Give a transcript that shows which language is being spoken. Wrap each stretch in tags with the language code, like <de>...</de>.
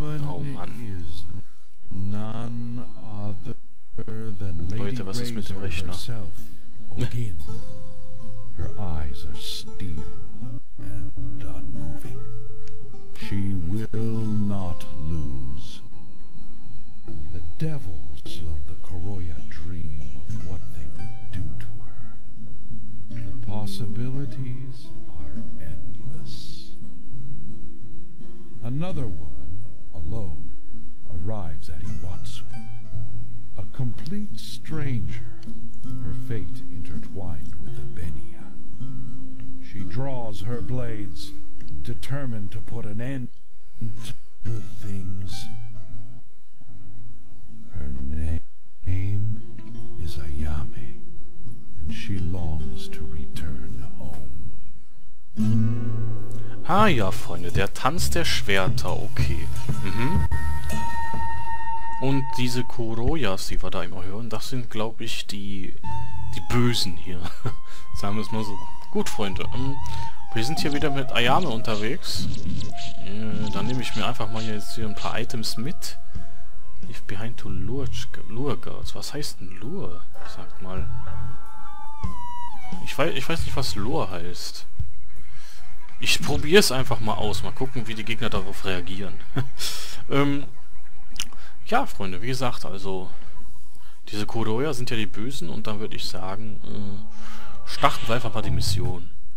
<de>Oh Mann. Leute, was ist mit dem Rechner?</de> <en>Her eyes are steel and unmoving. She will not lose. The devils of the Koroya dream of what they would do to her. The possibilities are endless. Another woman, alone, arrives at Iwatsu. A complete stranger, her fate intertwined with the Benya. She draws her blades, determined to put an end to things. Her name is Ayame, and she longs to return home.</en> <de>Ah ja, Freunde, der Tanz der Schwerter, okay. Und diese Koroyas, die wir da immer hören, das sind, glaube ich, die Bösen hier. Sagen wir es mal so. Gut, Freunde. Wir sind hier wieder mit Ayame unterwegs. Dann nehme ich mir einfach mal jetzt hier ein paar Items mit.</de> <en>Leave behind to lure girls.</en> <de>Was heißt denn Lure? Sagt mal. Ich weiß nicht, was Lure heißt. Ich probiere es einfach mal aus. Mal gucken, wie die Gegner darauf reagieren. Ja, Freunde, wie gesagt, also diese Koroya sind ja die Bösen, und dann würde ich sagen, starten wir einfach mal die Mission.</de>